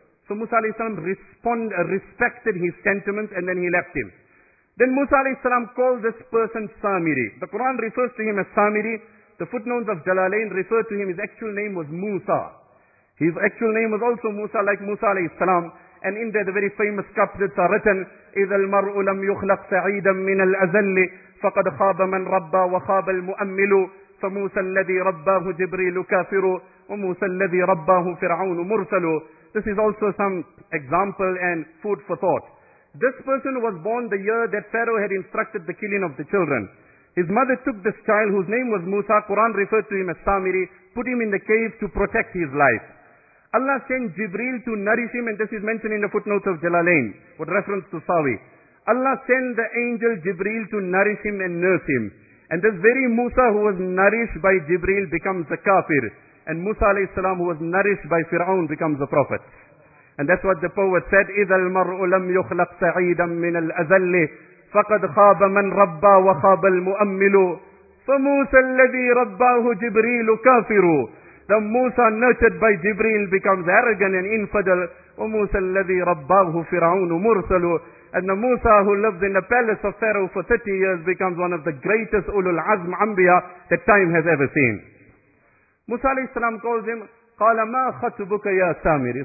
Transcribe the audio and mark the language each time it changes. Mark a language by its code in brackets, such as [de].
[en] So Musa alayhi salam respected his sentiments, and then he left him. Then Musa alayhi salam called this person Samiri. The Quran refers to him as Samiri. The footnotes of Jalalain refer to him, his actual name was Musa. His actual name was also Musa, like Musa alayhi salam. And in there, the very famous couplets are written, [ar] إِذَا الْمَرْءُ لَمْ يُخْلَقْ سَعِيدًا مِنَ الْأَزَلِّ فَقَدْ خَابَ مَنْ رَبَّى وَخَابَ الْمُؤَمِّلُ فَمُوسَى الَّذِي رَبَّاهُ جِبْرِيلُ كَافِرُ وَمُوسَى الَّذِي رَبَّاهُ فِرْعَوْنُ مُرْسَلُ. [en] This is also some example and food for thought. This person was born the year that Pharaoh had instructed the killing of the children. His mother took this child whose name was Musa, Quran referred to him as Samiri, put him in the cave to protect his life. Allah sent Jibreel to nourish him, and this is mentioned in the footnotes of Jalalain, with reference to Sawi. Allah sent the angel Jibreel to nourish him and nurse him. And this very Musa who was nourished by Jibreel becomes the kafir. And Musa alayhi salam who was nourished by Fir'aun becomes the prophet. And that's what the poet said, [ar] إِذَا الْمَرْءُ لَمْ يُخْلَقْ سَعِيدًا مِنَ الْأَزَلِّ فَقَدْ خَابَ مَنْ رَبَّى وَخَابَ الْمُؤَمِّلُ فَمُوسَى الَّذِي رَبَّاهُ جِبْرِيلُ كَافِرُ. [en] The Musa nurtured by Jibreel becomes arrogant and infidel. [ar] وَمُوسَى الَّذِي رَبَّاهُ فِرْعَوْنُ مُرْسَلُ. [en] And the Musa who lived in the palace of Pharaoh for 30 years becomes one of the greatest Ulul Azm Anbiya that time has ever seen. Musa alayhi salam calls him, [ar] قَالَ مَا خَتُبُكَ يَا سَامِرِ.